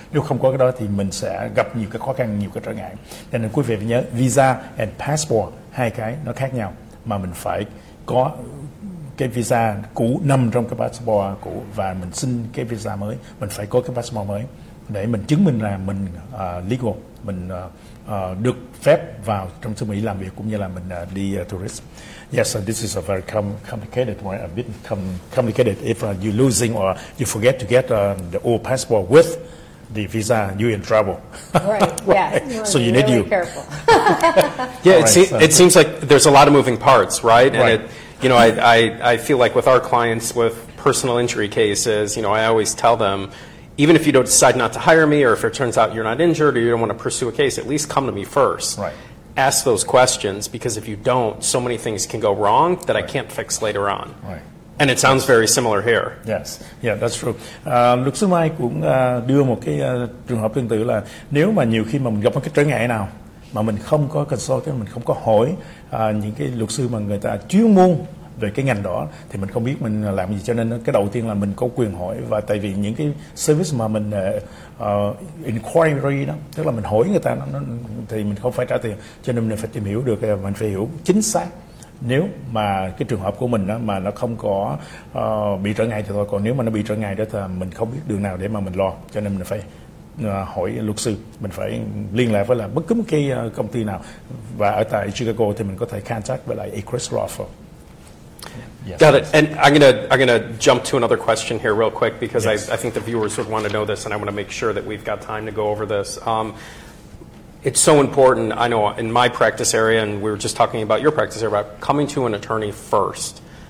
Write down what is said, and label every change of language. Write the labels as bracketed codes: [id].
[vi] Nếu không có cái đó thì mình sẽ gặp nhiều cái khó khăn, nhiều cái trở ngại. Cho nên quý vị phải nhớ [en] visa and passport, [vi] hai cái nó khác nhau, mà mình phải có cái visa cũ nằm trong cái passport cũ và mình xin cái visa mới, mình phải có cái passport mới để mình chứng minh là mình legal, mình được phép vào trong xứ Mỹ làm việc cũng như là mình đi tourist. [en] Yes, so this is a very complicated one, a bit complicated if you losing or you forget to get the old passport with the visa, you're in trouble. Right. Yes. So you need really you. Careful. Yeah. It seems like there's a lot of moving parts, right? And right. You know, I feel like with our clients with personal injury cases, you know, I always tell them, even if you don't decide not to hire me, or if it turns out you're not injured or you don't want to pursue a case, at least come to me first. Right. Ask those questions, because if you don't, so many things can go wrong that right. I can't fix later on. Right. And it sounds very similar here. Yes. Yeah, that's true. [vi] Luật sư Mai cũng đưa một cái trường hợp tương tự là nếu mà nhiều khi mà mình gặp một cái trở ngại nào, mà mình không có consult, mình không có hỏi những cái luật sư mà người ta chuyên môn về cái ngành đó, thì mình không biết mình làm gì. Cho nên cái đầu tiên là mình có quyền hỏi, và tại vì những cái service mà mình inquiry đó, tức là mình hỏi người ta nó, thì mình không phải trả tiền. Cho nên mình phải tìm hiểu được, mình phải hiểu chính xác. Nếu mà cái trường hợp của mình đó, mà nó không có bị trở ngại thì thôi, còn nếu mà nó bị trở ngại đó thì mình không biết đường nào để mà mình lo. Cho nên mình phải hỏi luật sư, mình phải liên lạc với là bất cứ một cái công ty nào, và ở tại Chicago thì mình có thể contact với lại Agruss. [en] Yes. Got it. And I'm gonna jump to another question here real quick, because I think the viewers would want to know this, and I want to make sure that we've got time to go over this. It's so important. I know in my practice area, and we were just talking about your practice area, about coming to an attorney first.